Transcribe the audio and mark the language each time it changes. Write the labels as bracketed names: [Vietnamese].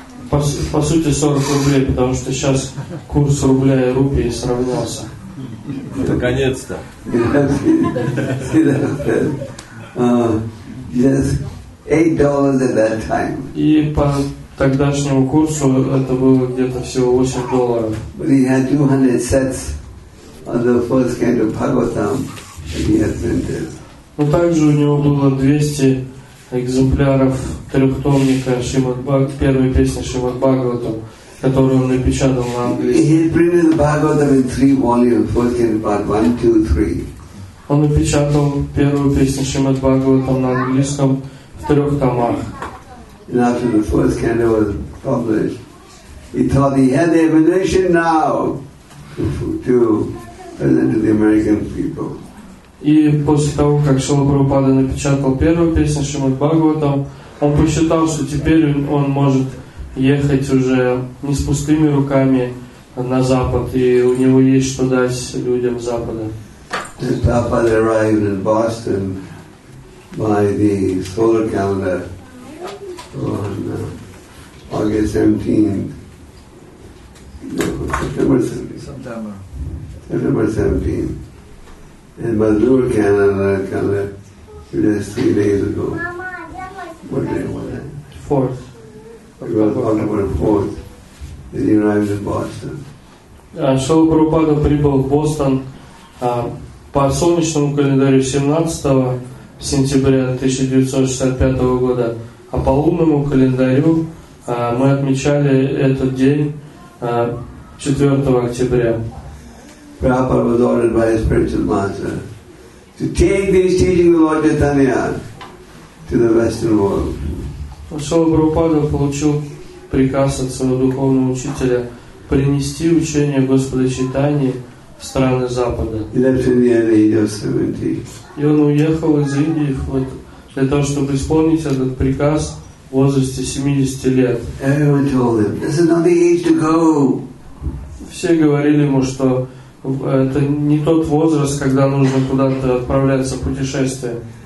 [Russian] По сути, 40 рублей, потому что сейчас курс рубля и рупии сравнялся. Наконец-то. [English] $8 at that time. [Russian] И по тогдашнему курсу это было где-то всего $8. [English] But he had 200 sets of the first kind of Bhagavatam that he had printed. [Russian] Но также у него было 200 экземпляров трехтомника первой песни Шримад Бхагаватам, которую он напечатал на английском. Он напечатал первую песню Шримад Бхагаватам на английском в трех томах. [English] And after the first canto was published, he thought he had the ammunition now to present to the American people. [Russian] И после того, как Шрила Прабхупада напечатал первую песню Шримад Бхагаватам, он посчитал, что теперь он может ехать уже не с пустыми руками на Запад, и у него есть что дать людям Запада. [English] Prabhupada arrived in Boston by the solar calendar on September 17th. And my lunar calendar, just 3 days ago. What day was that? Fourth. It was October 4th. And he arrived in Boston. [Russian] Шрила Прабхупада прибыл в Бостон по солнечному календарю 17 сентября 1965 года. А по лунному календарю мы отмечали этот день 4 октября. [English] Prabhupada was ordered by his spiritual master to take these teachings of Lord Chaitanya to the Western world. [Russian] Шрила Прабхупада получил приказ от своего духовного учителя принести учение Господа Чайтаньи в страны Запада. [English] He left India at the age of 70. [Russian] И он уехал из Индии для того, чтобы исполнить этот приказ в возрасте 70 лет. [English] Everyone told him, this is not the age to go. [Russian] Все говорили ему, что это не тот возраст, когда нужно куда-то отправляться в путешествие.